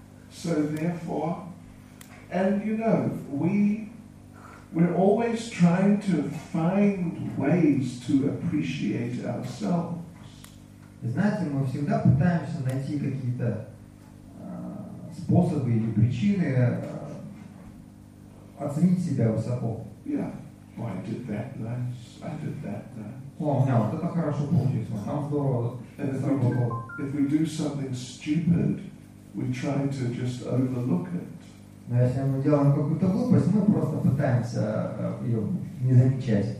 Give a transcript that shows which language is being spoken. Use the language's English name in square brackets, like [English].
[English] So therefore, and you know, we're always trying to find ways to appreciate ourselves. [Russian] Знаете, мы всегда пытаемся найти какие-то способы или причины оценить себя высоко. [English] Yeah. Oh, I did that nice. I did that nice. [Russian] О, у меня вот это хорошо получилось, там здорово. [English] If we do something stupid, we try to just overlook it. [Russian] Но если мы делаем какую-то глупость, мы просто пытаемся ее не замечать.